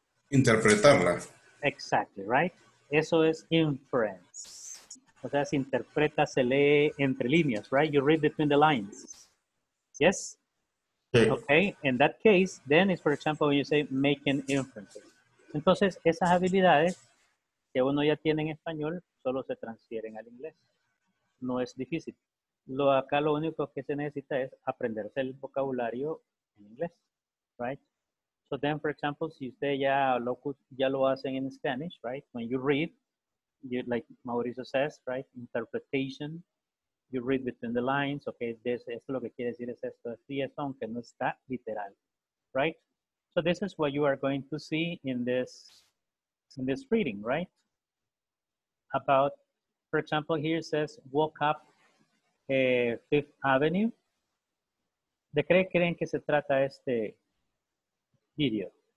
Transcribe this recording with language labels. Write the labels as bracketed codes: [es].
[es] Interpretarla. [en] Exactly, right? [es] Eso es [en] inference. [es] O sea, se interpreta, se lee entre líneas, right? [en] You read between the lines. Yes? [es] Sí. [en] Okay, in that case, then it's, for example, when you say making inferences. [es] Entonces, esas habilidades que uno ya tiene en español solo se transfieren al inglés. No es difícil. Lo acá lo único que se necesita es aprenderse el vocabulario en inglés, right? [en] So then, for example, [es] si usted ya lo hacen en [en] Spanish, right? When you read, like Mauricio says, right? Interpretation, you read between the lines, okay? Esto lo que quiere decir es esto, así es, aunque no está literal, right? So this is what you are going to see in this reading, right? About, for example, here it says, walk up Fifth Avenue. [es] ¿De qué creen que se trata este video?